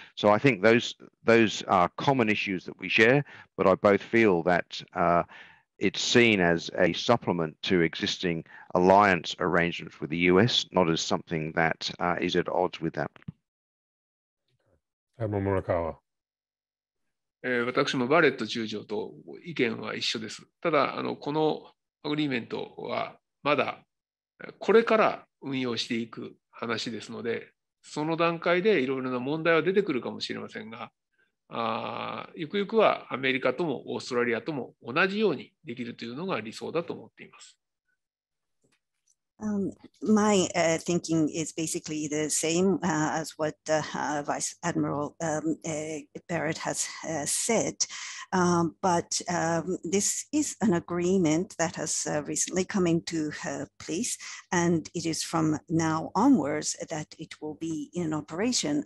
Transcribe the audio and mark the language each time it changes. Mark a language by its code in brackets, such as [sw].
[en] So I think those are common issues that we share, but I both feel that it's seen as a supplement to existing alliance arrangements with the US, not as something that is at odds with that. Admiral Murakawa. [ja] 私もバレット中将と意見は一緒です。ただこのアグリーメントはまだこれから運用していく話ですので、その段階でいろいろな問題は出てくるかもしれませんが、ゆくゆくはアメリカともオーストラリアとも同じようにできるというのが理想だと思っています。 [en] My thinking is basically the same as what Vice Admiral Barrett has said, but this is an agreement that has recently come into place, and it is from now onwards that it will be in operation.